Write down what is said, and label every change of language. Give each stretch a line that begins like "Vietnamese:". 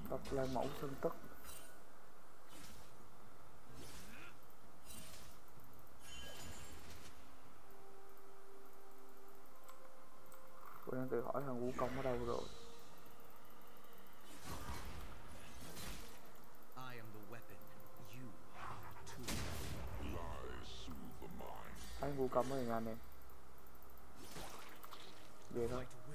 Vietnamese: Là mẫu sân tức. Tôi đang tự hỏi thằng Vũ Công ở đâu rồi.
English: I am the weapon, you are the tool.
Vietnamese: Anh Vũ Công ở đây nha anh em. Về thôi.